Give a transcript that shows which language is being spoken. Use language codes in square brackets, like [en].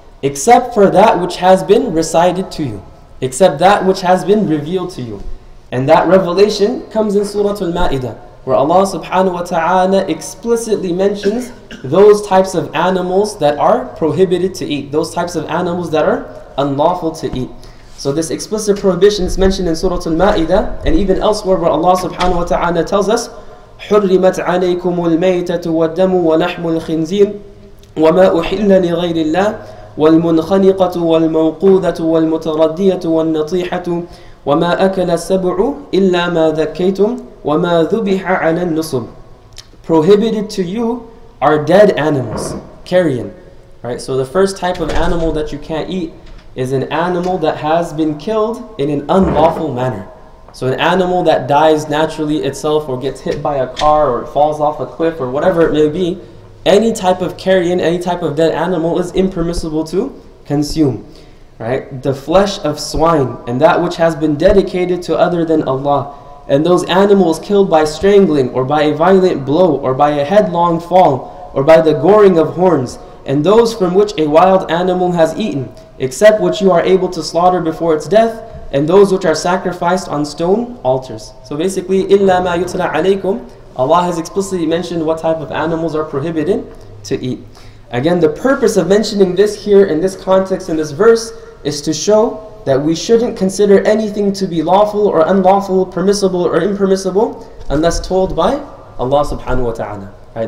[en] Except for that which has been recited to you. Except that which has been revealed to you. And that revelation comes in Surah Al-Ma'idah, where Allah subhanahu wa ta'ala explicitly mentions those types of animals that are prohibited to eat, those types of animals that are unlawful to eat. So this explicit prohibition is mentioned in Surah Al-Ma'idah and even elsewhere, where Allah subhanahu wa ta'ala tells us, [ar] حُرِّمَتْ عَلَيْكُمُ الْمَيْتَةُ وَالدَّمُ وَلَحْمُ الْخِنْزِيرِ وَمَا أُحِلَّ لِغَيْرِ اللَّهِ وَالْمُنْخَنِقَةُ وَالْمَوْقُوذَةُ وَالْمُتَرَدِّيَةُ وَالنَّطِيحَةُ وَمَا أَكَلَ السَّبْعُ إِلَّا مَا ذَكَّيْتُمْ وَمَا ذُبِحَ عَلَى النُّصُبِ. [en] Prohibited to you are dead animals, carrion. Right? So the first type of animal that you can't eat is an animal that has been killed in an unlawful manner. So an animal that dies naturally itself or gets hit by a car or falls off a cliff or whatever it may be, any type of carrion, any type of dead animal is impermissible to consume. Right? The flesh of swine and that which has been dedicated to other than Allah, and those animals killed by strangling or by a violent blow or by a headlong fall or by the goring of horns, and those from which a wild animal has eaten, except what you are able to slaughter before its death, and those which are sacrificed on stone altars. So basically, [ar] إِلَّا مَا يُتْلَى عَلَيْكُمْ. [en] Allah has explicitly mentioned what type of animals are prohibited to eat. Again, the purpose of mentioning this here in this context, in this verse, is to show that we shouldn't consider anything to be lawful or unlawful, permissible or impermissible, unless told by Allah subhanahu wa ta'ala. Right?